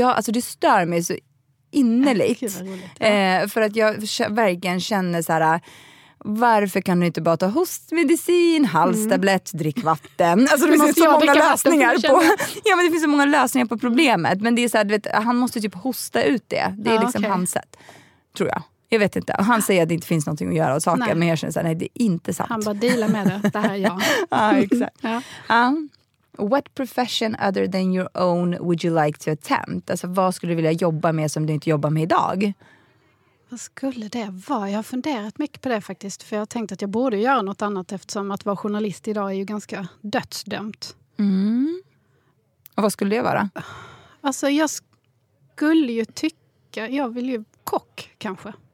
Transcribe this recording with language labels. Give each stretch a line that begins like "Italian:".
Swedish: Och det stör mig så innerligt. För att jag verkligen känner så här, varför kan du inte bara ta hostmedicin, halstablett, drick vatten? Alltså det finns så många lösningar på. Ja, men det finns så många lösningar på problemet, men det är så här, du vet, han måste typ hosta ut det. Det är liksom hans sätt, tror jag. Jag vet inte. Han säger att det inte finns någonting att göra och saker, men jag känner så här, nej, det är inte sant. Han bara dealar med det här, ja. Ja, exakt. Ja.
English: What profession other than your own would you like to attempt?
Swedish: Alltså vad skulle du vilja jobba med som du inte jobbar med idag? Vad skulle det vara? Jag har funderat mycket på det faktiskt. För jag har tänkt att jag borde göra något annat, eftersom att vara journalist idag är ju ganska dödsdömt. Och vad skulle det vara? Alltså jag skulle ju tycka, jag vill ju kock kanske.